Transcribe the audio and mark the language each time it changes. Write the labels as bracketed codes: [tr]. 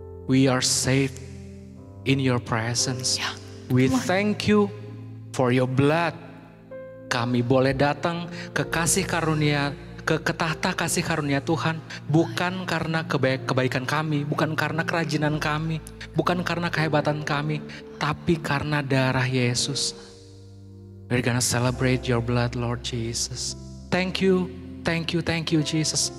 [en] We are safe in your presence. We thank you for your blood. [id] Kami boleh datang ke kasih karunia, ke ketahta kasih karunia Tuhan, bukan karena kebaikan kami, bukan karena kerajinan kami, bukan karena kehebatan kami, tapi karena darah Yesus. [en] We're gonna celebrate your blood, Lord Jesus. Thank you, thank you, thank you, Jesus.